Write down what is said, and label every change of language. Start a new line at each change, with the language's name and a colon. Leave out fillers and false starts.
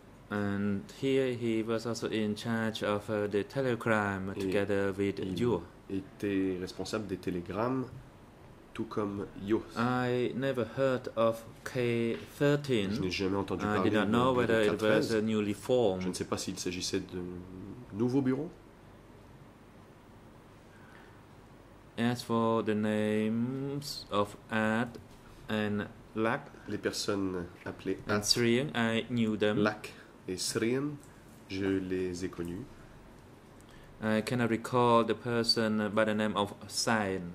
English: And here he was also in charge of the telegram together with Yu.
French: Il était responsable des télégrammes, tout comme Yu.
English: I never heard of K13.
French: Je n'ai jamais entendu parler
English: I did not know whether it was a newly formed.
French: Je ne sais pas s'il s'agissait de nouveaux bureaux.
English: As for the names of Ad and Lac,
French: les personnes appelées Ad
English: and Sreang, I knew them.
French: Lac. Et Sreen, je les ai connus.
English: I cannot recall the person by the name of Sain.